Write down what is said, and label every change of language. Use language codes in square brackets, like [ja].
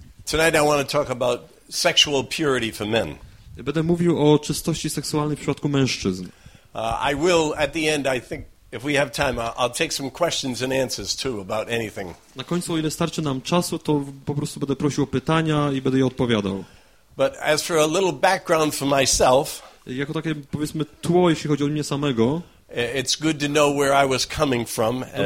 [en] Tonight I want to talk about sexual purity for men. [pl] Będę mówił o czystości seksualnej w przypadku mężczyzn. [en] I will at the end, I think, if we have time, I'll take some questions and answers too about anything. [pl] Na końcu, o ile starczy nam czasu, to po prostu będę prosił o pytania i będę je odpowiadał. [en] But as for a little background for myself, [pl] jako takie powiedzmy tło, jeśli chodzi o mnie samego, [en] it's good to know where I was coming from.